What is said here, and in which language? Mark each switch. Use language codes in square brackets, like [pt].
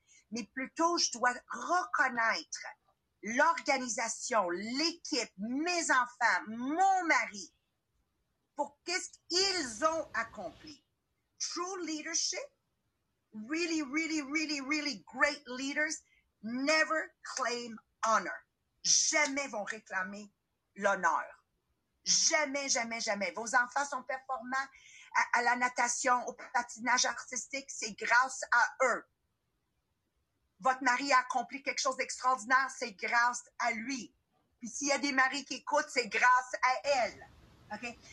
[fr] Mais plutôt, je dois reconnaître l'organisation, l'équipe, mes enfants, mon mari, pour qu'est-ce qu'ils ont accompli. [en] True leadership, really, really, really, really great leaders, never claim honor. [fr] Jamais vont réclamer l'honneur. Jamais. Vos enfants sont performants à la natation, au patinage artistique, c'est grâce à eux. Votre mari a accompli quelque chose d'extraordinaire, c'est grâce à lui. Puis s'il y a des maris qui écoutent, c'est grâce à elle. OK?